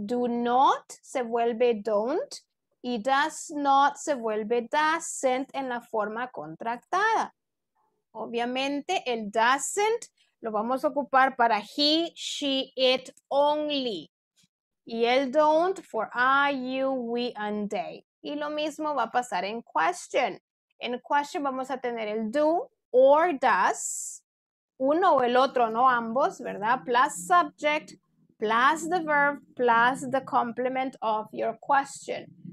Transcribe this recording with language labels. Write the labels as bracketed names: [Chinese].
[Spanish] Do not se vuelve don't. Y does not se vuelve doesn't en la forma contractada. Obviamente, el doesn't lo vamos a ocupar para he, she, it only. Y el [English] don't for I, you, we, and they. [Spanish] Y lo mismo va a pasar en question. En question vamos a tener el [English] do or does, [Spanish] uno o el otro, no ambos, ¿verdad? [English] Plus subject, plus the verb, plus the complement of your question.